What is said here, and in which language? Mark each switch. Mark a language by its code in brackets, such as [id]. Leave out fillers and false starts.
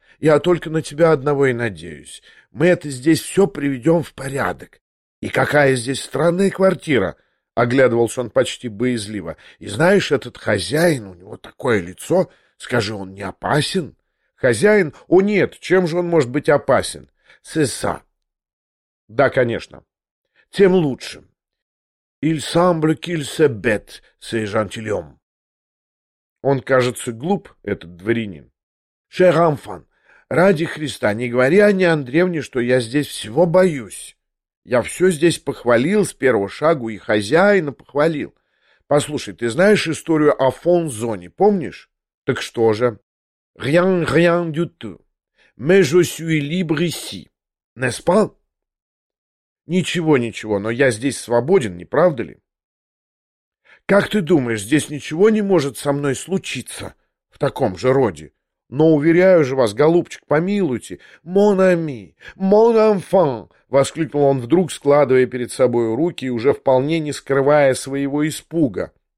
[ru] Я только на тебя одного и надеюсь. Мы это здесь все приведем в порядок. И какая здесь странная квартира!» — оглядывался он почти боязливо. «И знаешь, этот хозяин, у него такое лицо, скажи, он не опасен?» «Хозяин? О, нет, чем же он может быть опасен?» [fr] «C'est ça». [ru] «Да, конечно». «Тем лучше. [fr] Il semble qu'il se bête, ce gentilhomme. [ru] Он кажется глуп, этот дворянин. [fr] Cher enfant, [ru] ради Христа, не говори Анне Андреевне, что я здесь всего боюсь. Я все здесь похвалил с первого шагу и хозяина похвалил. Послушай, ты знаешь историю о фон-зоне, помнишь? Так что же? [fr] Rien, rien du tout. Mais je suis libre ici, n'est-ce pas? [ru] Ничего, ничего, но я здесь свободен, не правда ли? Как ты думаешь, здесь ничего не может со мной случиться в таком же роде? Но уверяю же вас, голубчик, помилуйте. [fr] «Мон ами, мон амфан!» [ru] — воскликнул он вдруг, складывая перед собой руки и уже вполне не скрывая своего испуга.